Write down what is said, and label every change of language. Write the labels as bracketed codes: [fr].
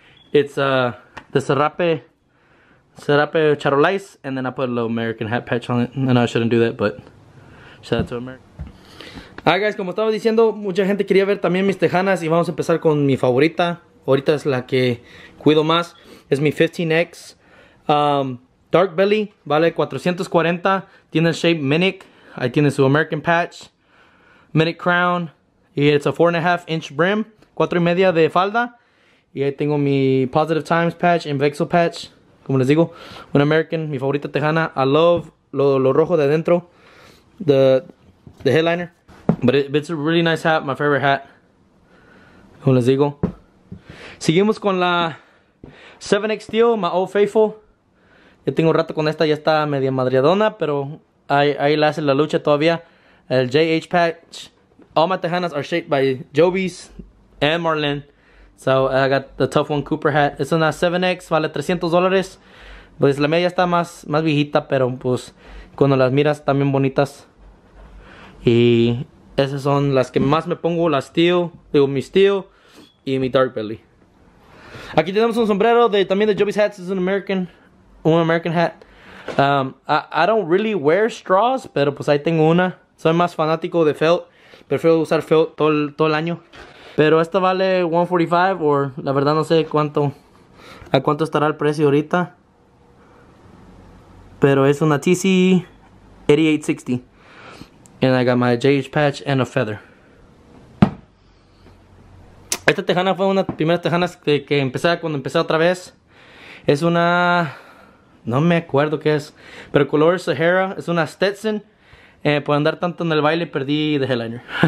[en] It's the Serape Charolais, and then I put a little American hat patch on it. I know I shouldn't do that, but shout out to America. Alright, guys, [es] como estaba diciendo, mucha gente quería ver también mis tejanas, y vamos a empezar con mi favorita. Ahorita es la que cuido más. Es mi 15X Dark Belly, vale 440. Tiene el shape Minic. Ahí tiene su American patch, Minic crown, y [en] it's a 4.5 inch brim, [es] 4.5 de falda. Y ahí tengo mi Positive Times patch and Vexo patch. Como les digo, un American, mi favorita tejana. [en] I love [es] lo rojo de adentro. [en] The headliner. But it's a really nice hat, my favorite hat. [es] Como les digo. Seguimos con la 7X Steel, [en] my old faithful. [es] Ya tengo un rato con esta, ya está media madreadona. Pero ahí la hace la lucha todavía. El JH patch. [en] All my tejanas are shaped by Joby's and Marlin. So I got the Tough One Cooper hat. [es] Es una 7X, vale $300. Pues la media está más viejita, pero pues cuando las miras están bien bonitas. Y esas son las que más me pongo, la Steel, digo mi Steel y mi Dark Belly. Aquí tenemos un sombrero de también de Joby's Hats. Es un American hat. [en] I don't really wear straws, [es] pero pues ahí tengo una. Soy más fanático de felt. Prefiero usar felt todo el año. Pero esta vale $145, or la verdad no sé cuánto estará el precio ahorita. Pero es una TC 8860. [en] And I got my JH patch and a feather. [es] Esta tejana fue una de las primeras tejanas que empecé cuando empecé otra vez. Es una... No me acuerdo qué es. Pero color Sahara. Es una Stetson. Por andar tanto en el baile perdí de headliner.